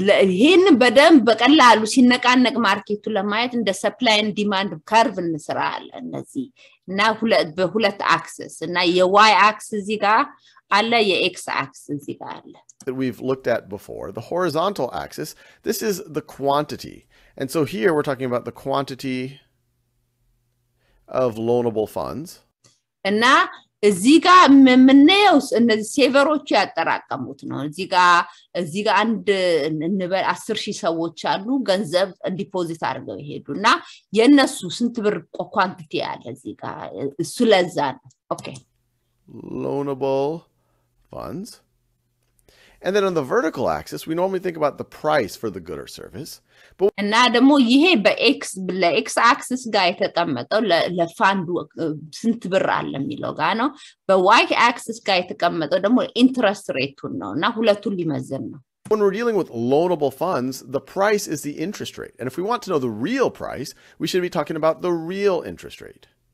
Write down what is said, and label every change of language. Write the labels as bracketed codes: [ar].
[am] ይህን በደንብ በቀላሉ ሲነቃነቅ ማርኬቱ ለማየት እንደ ሰፕላይ ኤንድ ዲማንድ ከርቭ እንስራለን እነዚህ እና በሁለት አክሰስ እና የዋይ አክስ እዚህ ጋር አለ የኤክስ አክስ እዚህ ጋር አለ [en] that we've looked at before, the horizontal axis, this is the quantity. And so here we're talking about the quantity of loanable funds. [am] እና እዚህ ጋር ምንየው እነዚህ ሴቨሮቹ ያጠራቀሙት ነው እዚህ ጋር አንድ እንበል 10000 ሰዎች አሉ ገንዘብ ዲፖዚት አድርገው ይሄዱና የነሱ ስንት ብር ኳንቲቲ አለ እዚህ ጋር እሱ ለዛ ኦኬ [en] loanable funds and then on the vertical axis we normally think about the price for the good or service [am] but እና ደሞ ይሄ በኤክስ ለኤክስ አክሲስ ጋር የተቀመጠው ለፋንድ ስንት ብር አለ የሚለው ጋር ነው በዋይ አክሲስ ጋር የተቀመጠው ደሞ ኢንትረስት ሬቱን ነው እና ሁለቱን ሊመዘን ነው [en] When we're dealing with loanable funds, the price is the interest rate. And if we want to know the real price, we should be talking about the real interest rate.